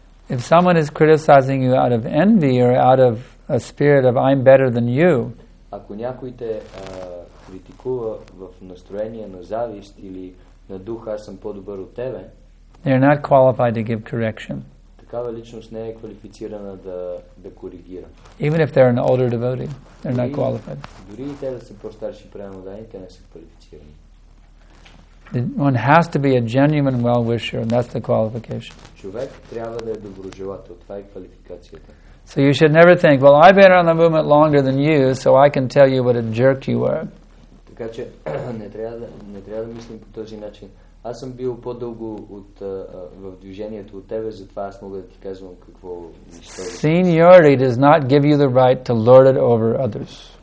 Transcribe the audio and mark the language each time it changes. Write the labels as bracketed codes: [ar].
[en] If someone is criticizing you out of envy or out of a spirit of I'm better than you, [bg] ако някой те критикува в настроение на завист или на дух аз съм по-добър от тебе, [en] they're not qualified to give correction. [bg] Такава личност не е квалифицирана да коригира. [en] Even if they're an older devotee, they're not qualified. [bg] Дори и те да са по-старши преданоудани, те не са квалифицирани. [en] One has to be a genuine well-wisher, and that's the qualification. [bg] Човек трябва да е доброжелател. Това е квалификацията. [en] So you should never think, well, I've been on the movement longer than you, so I can tell you what a jerk you were. [bg] Така че не трябва да мислим по този начин. Аз съм бил по-дълго в движението от тебе, затова аз мога да ти казвам какво нещо. [en] Seniority does not give you the right to lord it over others.